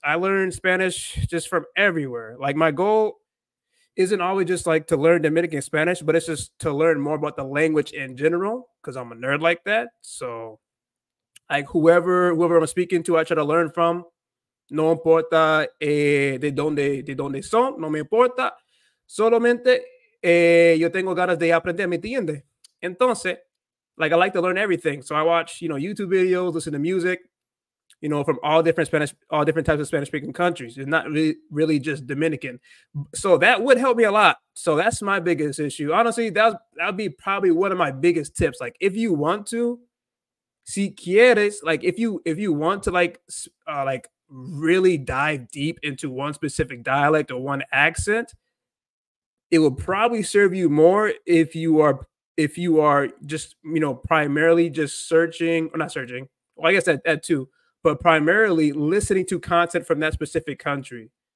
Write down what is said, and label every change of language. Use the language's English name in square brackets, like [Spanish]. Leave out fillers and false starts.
[English] I learned Spanish just from everywhere. Like, my goal isn't always just like to learn Dominican Spanish, but it's just to learn more about the language in general, because I'm a nerd like that. So, like, whoever I'm speaking to, I try to learn from. [Spanish] No importa de donde son, no me importa. Solamente yo tengo ganas de aprender, ¿me entiende? [English] Entonces, like, I like to learn everything. So I watch, you know, YouTube videos, listen to music, you know, from all different types of Spanish-speaking countries. It's not really just Dominican. So that would help me a lot. So that's my biggest issue. Honestly, that'd be probably one of my biggest tips. Like, if you want to, [Spanish] si quieres, [English] like, if you want to, like really dive deep into one specific dialect or one accent, it will probably serve you more if you are just, you know, primarily just searching, or not searching, well, I guess that too, but primarily listening to content from that specific country.